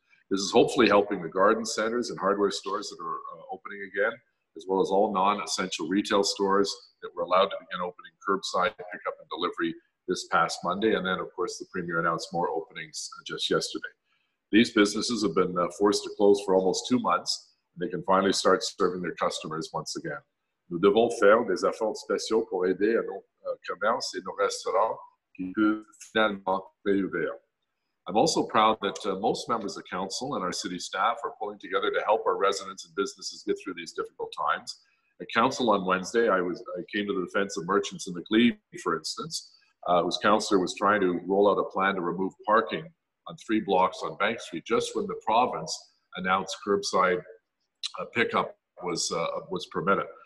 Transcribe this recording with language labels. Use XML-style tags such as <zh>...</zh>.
<en>This is hopefully helping the garden centers and hardware stores that are opening again, as well as all non-essential retail stores that were allowed to begin opening curbside pickup and delivery this past Monday. And then, of course, the Premier announced more openings just yesterday. These businesses have been forced to close for almost 2 months, and they can finally start serving their customers once again.</en> <fr>Nous devons faire des efforts spéciaux pour aider à nos commerces et nos restaurants qui peuvent finalement réouvrir.</fr> <en>I'm also proud that most members of council and our city staff are pulling together to help our residents and businesses get through these difficult times. At council on Wednesday, I came to the defense of merchants in the Glebe, for instance, whose councillor was trying to roll out a plan to remove parking on three blocks on Bank Street just when the province announced curbside pickup was permitted.</en>